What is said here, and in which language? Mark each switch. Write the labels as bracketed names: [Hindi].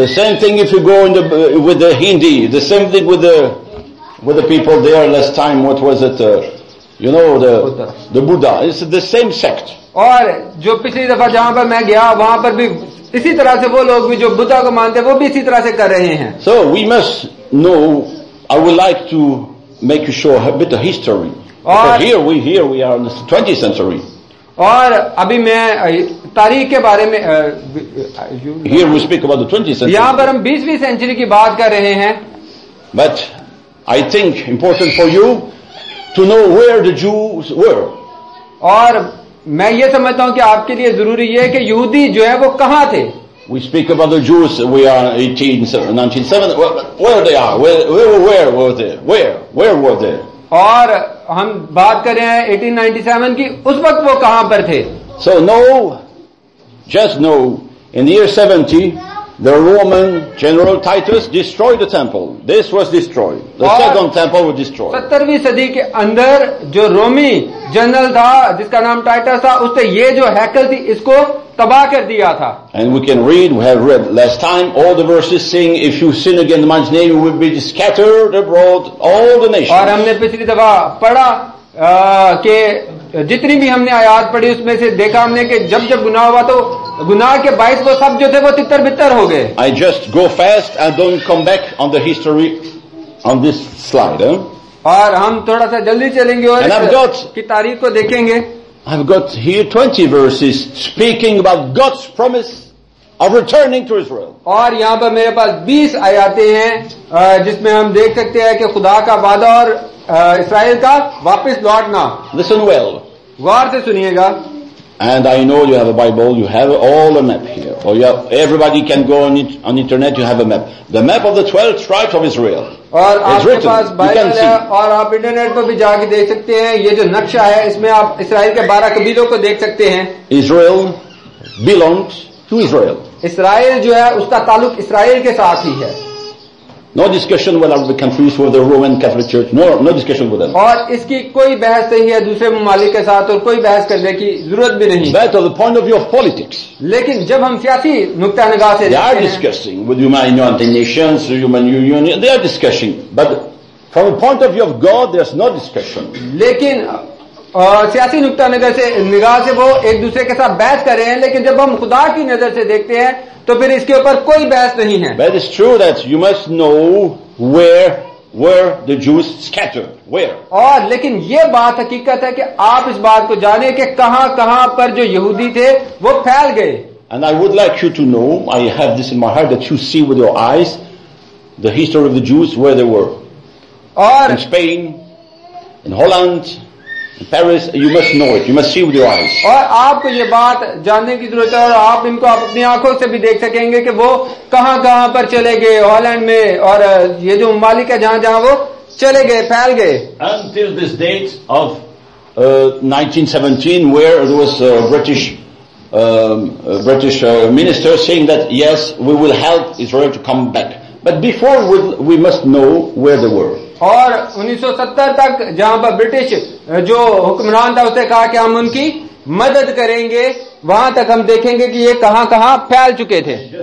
[English] The same thing if you go in the with the Hindi, the same thing with the With the people there last time, what was it? You know the Buddha. It's the same sect। [Hindi] और जो पिछली दफा जहां पर मैं गया वहां पर भी इसी तरह से वो लोग भी जो बुद्धा को मानते हैं वो भी इसी तरह से कर रहे हैं। [English] So we must know, I would like to make you show a bit of history। [Hindi] और [English] here we are in the 20th century। [Hindi] और अभी मैं तारीख के बारे में [English] here we speak about the 20th century। [Hindi] यहां पर हम 20वीं सेंचुरी की बात कर रहे हैं। [English] But I think important for you to know where the Jews were। [Hindi] और मैं ये समझता हूँ कि आपके लिए जरूरी है कि यहूदी जो है वो कहाँ थे। [English] We speak about the Jews, we are 1870, where they are, where were they? [Hindi] और हम बात कर रहे हैं 1897 की, उस वक्त वो कहाँ पर थे। [English] So know, just know, in the year 70 the Roman general Titus destroyed the temple। This was destroyed, the second temple was destroyed। [Hindi] 70वीं सदी के अंदर जो रोमी जनरल था जिसका नाम टाइटस था उसने ये जो हैकल थी इसको तबाह कर दिया था। [English] And we can read, we have read last time all the verses saying if you sin against my name you will be scattered abroad all the nations। [Hindi] और हमने पिछली दफा पढ़ा के जितनी भी हमने आयात पढ़ी उसमें से देखा हमने कि जब जब गुनाह हुआ तो गुनाह के बाइस वो सब जो थे वो तितर बितर हो गए। [English] I just go fast and don't come back on the history on this slide। [Hindi] और हम थोड़ा सा जल्दी चलेंगे और की तारीख को देखेंगे। [English] I've got here 20 verses speaking about God's promise of returning to Israel। [Hindi] और यहाँ पर मेरे पास 20 आयातें हैं जिसमें हम देख सकते हैं कि खुदा का वादा और इसराइल का वापस लौटना। [English] Listen well। [Hindi] गौर से सुनिएगा। [English] And I know you have a Bible, you have all a map here, or you have, everybody can go on internet, you have a map, the map of the 12 tribes of Israel। [Hindi] और आपके पास Bible है और आप internet पर भी जाके देख सकते हैं, ये जो नक्शा है इसमें आप इसराइल के 12 कबीलों को देख सकते हैं। [English] Israel belongs to Israel। [Hindi] Israel जो है उसका ताल्लुक इसराइल के साथ ही है। [English] No discussion with our countries for the Roman Catholic Church, no discussion with them। [Hindi] और इसकी कोई बहस नहीं है दूसरे ममालिक के साथ और कोई बहस करने की जरूरत भी नहीं। [English] But on the point of view of politics। [Hindi] लेकिन जब हम सियासी नुक्ता निगाह से [English] they are discussing with United Nations, Human Union, they are discussing, but from the point of view of God there's no discussion। [Hindi] लेकिन सियासी नुक्ता निगाह से वो एक दूसरे के साथ बहस कर रहे हैं लेकिन जब हम खुदा की नजर से देखते हैं तो फिर इसके ऊपर कोई बहस नहीं है। [English] But it's true that you must know where were the Jews scattered, where। [Hindi] और लेकिन ये बात हकीकत है कि आप इस बात को जाने कि कहां कहां पर जो यहूदी थे वो फैल गए। [English] And I would like you to know, I have this in my heart that you see with your eyes the history of the Jews where they were। [Hindi] और [English] in Spain, in Holland, Paris, you must know it. You must see with your eyes. [Hindi] और आपको ये बात जानने की जरूरत है और आप इनको आप अपनी आंखों से भी देख सकेंगे कि वो कहां कहां पर चले गए हॉलैंड में और ये जो मालिक है जहां जहां वो चले गए फैल गए. [English] Until this date of 1917, where it was British minister saying that yes, we will help Israel to come back. But before we must know where they were. [Hindi] और 1970 तक जहां पर ब्रिटिश जो हुक्मरान था उसने कहा कि हम उनकी मदद करेंगे वहां तक हम देखेंगे कि ये कहां कहां फैल चुके थे.